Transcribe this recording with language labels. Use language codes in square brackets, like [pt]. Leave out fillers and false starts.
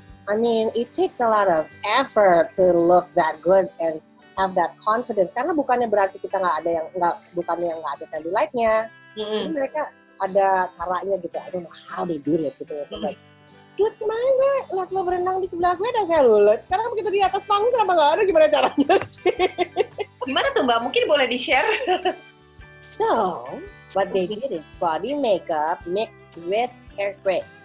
[en] I mean, it takes a lot of effort to look that good and have that confidence. [id] Karena bukannya berarti kita nggak ada yang nggak, bukannya nggak ada cellulite-nya. Tapi mereka ada caranya gitu. [en] I don't know how they do it gitu. [id] Dude, kemarin gue liat lo berenang di sebelah gue, ada cellulite. Sekarang begitu di atas panggung, kenapa nggak ada? Gimana caranya sih? Gimana tuh Mbak? Mungkin boleh di share. [en] So, what they did is body makeup mixed with hairspray.